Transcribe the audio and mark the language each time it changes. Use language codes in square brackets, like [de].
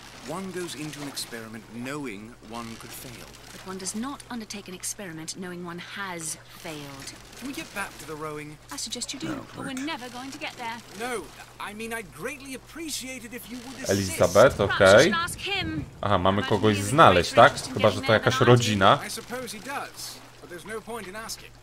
[en] One goes into an experiment knowing one could fail. But one does not undertake an experiment knowing one has failed. Can we get back to the rowing? I suggest you do, but we're never going to get there. No, I mean I'd greatly appreciate it if you would assist. [pl] Elizabeth, okej. Okay. Aha, mamy kogoś znaleźć, tak? Chyba, że to jakaś rodzina. [en] I suppose he does, but there's no point in asking.